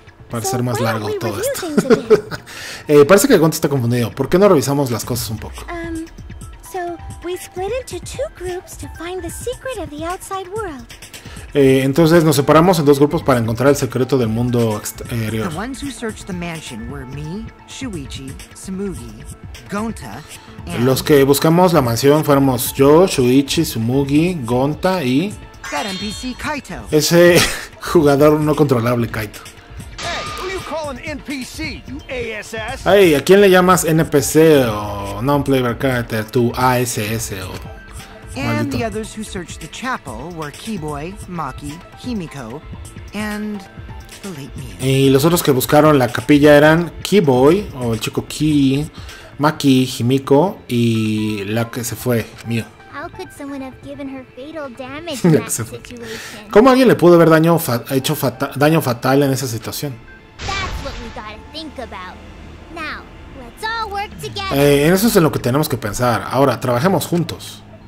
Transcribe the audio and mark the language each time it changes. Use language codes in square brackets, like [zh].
[es] Para ser más largo todo esto. parece que Gonta está confundido. ¿Por qué no revisamos las cosas un poco? [en] So we split into two groups to find the secret of the outside world. [es] Entonces nos separamos en dos grupos para encontrar el secreto del mundo exterior. [en] The ones who searched the mansion were me, Shuichi, Tsumugi, Gonta, and... [es] Los que buscamos la mansión fuéramos yo, Shuichi, Tsumugi, Gonta y... [en] That NPC Kaito. [es] Ese jugador no controlable, Kaito. [en] Hey, who you calling NPC, you ASS? [es] Hey, ¿a quién le llamas NPC o non-player character, tu ASS o...? Maldito. [en] And the others who searched the chapel were Kiboy, Maki, Himiko, and the late Mew. [es] Y los otros que buscaron la capilla eran Kiboy, o el chico Ki, Maki, Himiko, y la que se fue, Mew. [en] How could someone have given her fatal damage in that situation? [es] ¿Cómo alguien le pudo haber daño fatal en esa situación? [en] That's what we gotta think about. Now, let's all work together. [es] Eso es en lo que tenemos que pensar. Ahora, trabajemos juntos.